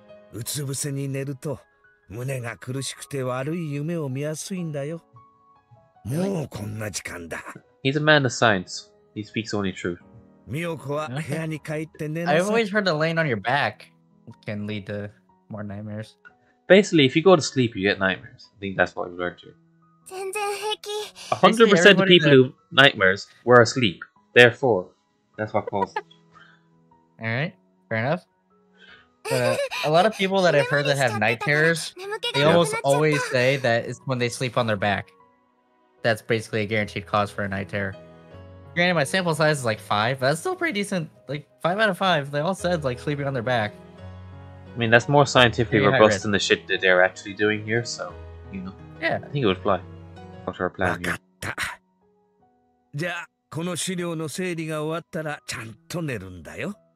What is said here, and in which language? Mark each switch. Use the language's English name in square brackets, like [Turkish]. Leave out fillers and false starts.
[Japanese] うつ伏せに寝ると胸が苦しくて悪い夢を見やすいんだよ。もうこんな時間だ。 [English] He's a man of science. He speaks only truth. [Japanese] ミオコは部屋に帰って寝なさい。 [English] I've always heard that laying on your back can lead to more nightmares. Basically, if you go to sleep, you get nightmares. I think that's what I've learned here. [Japanese] 全然平気。 [English] 100% of people who have nightmares were asleep. Therefore, that's what caused it. All right, fair enough. A lot of people that I've heard that have night terrors, they almost always say that it's when they sleep on their back. That's basically a guaranteed cause for a night terror. Granted, my sample size is like 5, but that's still pretty decent. Like, 5 out of 5, they all said like sleeping on their back. I mean, that's more scientifically robust than the shit that they're actually doing here, so, Yeah. I think it would fly. What's our plan here? [Japanese] この資料の整理が終わったらちゃんと寝るんだよ。